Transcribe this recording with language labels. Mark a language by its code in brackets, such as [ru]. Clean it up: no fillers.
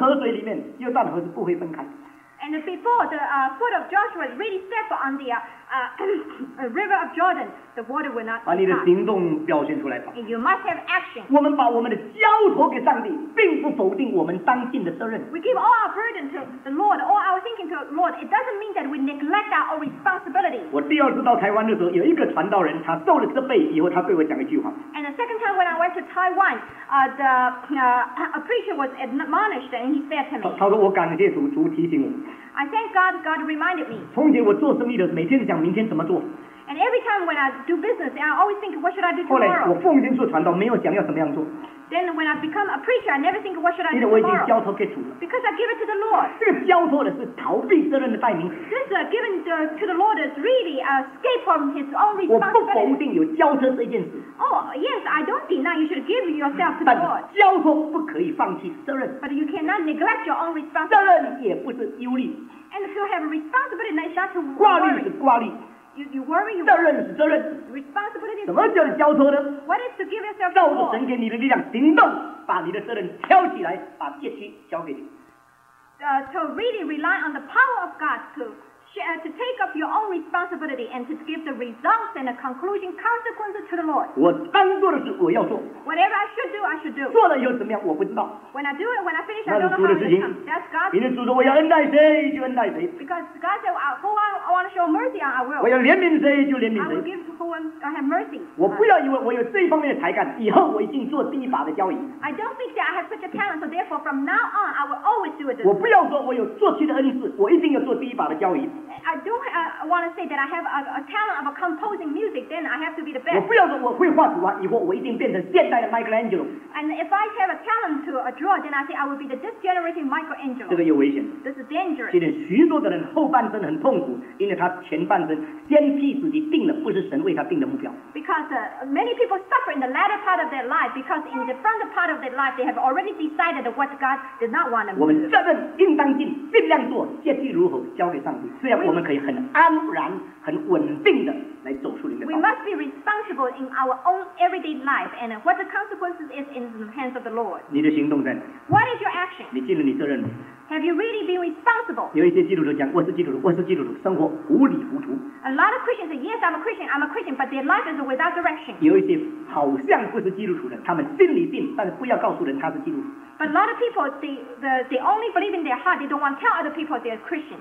[zh] 约书亚的脚如果没有先踏到约旦河水里面，约旦河是不会分开。 [en] And before the foot of Joshua really stepped on the river of Jordan, the water will not. [zh] 把你的行动表现出来吧。 [en] And you must have action. [zh] 我们把我们的交托给上帝，并不否定我们当尽的责任。 [en] We give all our burden to the Lord, all our thinking to the Lord. It doesn't mean that we neglect our responsibility. [zh] 我第二次到台湾的时候，有一个传道人，他受了这辈以后，他对我讲一句话。 [en] And the second time when I went to Taiwan, a preacher was admonished and he said to me. [zh] 他说我感谢主提醒我。 [en] I thank God. God reminded me. [zh] 从前我做生意的，每天想明天怎么做。 [en] And every time when I do business, I always think, what should I do tomorrow? [zh] 后来我奉献做传道，没有想要怎么样做。 [en] Then when I become a preacher, I never think, what should I do tomorrow? [zh] 因为我已经交托给主了。 [en] Because I give it to the Lord. [zh] 这个交托的是逃避责任的代名词。 [en] This given to the Lord is really escape from His own responsibility. [zh] 我不否定有交托这件事。 [en] Oh yes, I don't deny you should give yourself to the Lord. [zh] 但交托不可以放弃责任。 [en] But you cannot neglect your own responsibility. [zh] 责任也不是忧虑。 [en] And if you have a responsibility, it's not to worry. [zh] 挂虑是挂虑。 [en] You worry, you [zh] 责任是责任。 [en] Responsibility. [zh] 什么叫交托呢？ [en] What is to give yourself? [zh] 照着神给你的力量行动，把你的责任挑起来，把业绩交给你。 [en] To really rely on the power of God to to take up your own responsibility and to give the results and the conclusion consequences to the Lord. [zh] 我当做的事我要做。 [en] Whatever I should do, I should do. [zh] 做了又怎么样？我不知道。 [en] When I do it, when I finish, I don't know how it comes. That's God's. [zh] 因为主说我要恩待谁就恩待谁。 [en] Because God said, who I want to show mercy on, I will. [zh] 我要怜悯谁就怜悯谁。 [en] I will give whom I have mercy. [zh] 我不要以为我有这方面的才干，以后我一定做第一把的交椅。 [en] I don't think that I have such a talent, so therefore from now on I will always do it. [zh] 我不要说我有做其他恩赐，我一定要做第一把的交椅。 [en] I do want to say that I have a talent of composing music, then I have to be the best. [zh] 我不要说我会画图啊，以后我一定变成现代的 Michelangelo. [en] And if I have a talent to draw, then I think I will be the this generation Michelangelo. [zh] 这个有危险。 [en] This is dangerous. [zh] 现在许多的人后半生很痛苦，因为他前半生先替自己定了不是神为他定的目标。 [en] Because many people suffer in the latter part of their life because in the front part of their life they have already decided what God did not want them to do. [zh] 我们责任应当尽，尽量做，具体如何交给上帝。虽然我们可以很安然、很稳定的来走出里面。 [en] We must be responsible in our own everyday life and what the consequences is in the hands of the Lord. [zh] 你的行动在哪？ [en] What is your action? [zh] 你尽了你责任。 [en] Have you really been responsible? [zh] 有一些基督徒讲，我是基督徒，我是基督徒，生活糊里糊涂。 [en] A lot of Christians say, yes, I'm a Christian, but their life is without direction. [zh] 有一些好像不是基督徒的，他们心里定，但是不要告诉人他是基督徒。 [en] But a lot of people, they only believe in their heart. They don't want to tell other people they're Christians.